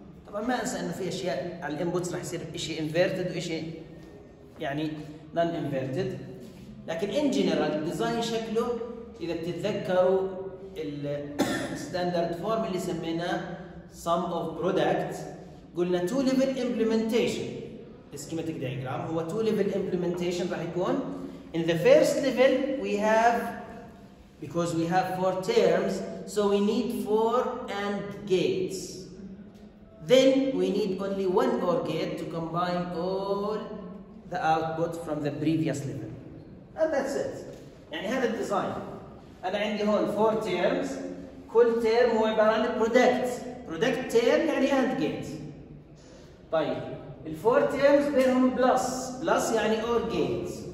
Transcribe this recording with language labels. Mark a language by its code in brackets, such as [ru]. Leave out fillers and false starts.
[ar] طبعا ما انسى انه في اشياء على الانبوتس راح يصير شيء انفيرتد وشيء يعني نون انفيرتد، لكن ان جنرال الديزاين شكله اذا بتتذكروا الستاندرد فورم اللي سميناه sum of product، قلنا [en] two level implementation. The schematic diagram هو two level implementation. [ar] راح يكون [en] in the first level we have because we have four terms so we need four AND gates. Then we need only one OR gate to combine all the output from the previous level. And that's it. [ar] يعني هذا الديزاين. أنا عندي هون four terms. كل term هو عبارة عن product. [en] product term يعني AND gate. [ar] طيب ال 4 terms بينهم بلس، بلس يعني OR gate.